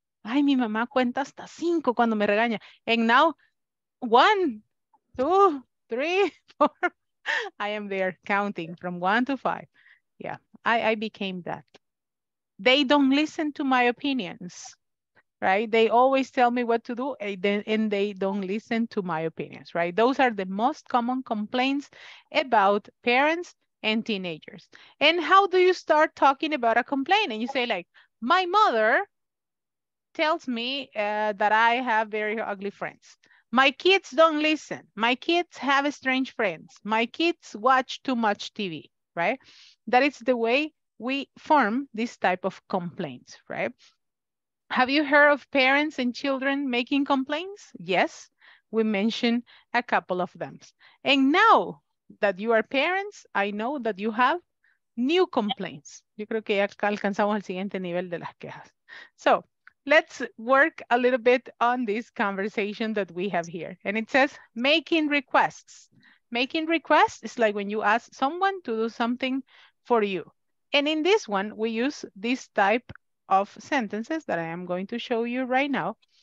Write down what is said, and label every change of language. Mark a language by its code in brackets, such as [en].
[es] Ay, mi mamá cuenta hasta cinco cuando me regaña. [en] And now, one, two, three, four. I am there counting from one to five. Yeah, I became that. They don't listen to my opinions, right? They always tell me what to do and they don't listen to my opinions, right? Those are the most common complaints about parents and teenagers. And how do you start talking about a complaint? And you say like, my mother tells me that I have very ugly friends. My kids don't listen. My kids have strange friends. My kids watch too much TV, right? That is the way we form this type of complaints, right? Have you heard of parents and children making complaints? Yes, we mentioned a couple of them. And now, that you are parents, I know that you have new complaints. [es] Yo creo que ya alcanzamos el siguiente nivel de las quejas. [en] So, let's work a little bit on this conversation that we have here. And it says, making requests. Making requests is like when you ask someone to do something for you. And in this one, we use this type of sentences that I am going to show you right now.